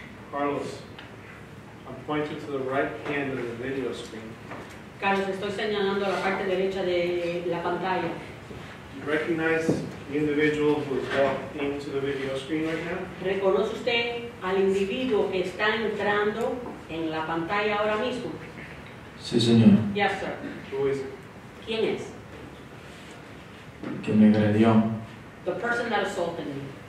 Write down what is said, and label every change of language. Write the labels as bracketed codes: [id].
[en] Carlos, I'm pointing to the right hand of the video screen. [es] Carlos, estoy señalando la parte derecha de la pantalla. [en] You recognize the individual who has walked into the video screen right now? [es] ¿Reconoce usted al individuo que está entrando en la pantalla ahora mismo? Sí, señor. [en] Yes, sir. Who is it? [es] ¿Quién es? ¿Quién me agredió? [en] The person that assaulted me.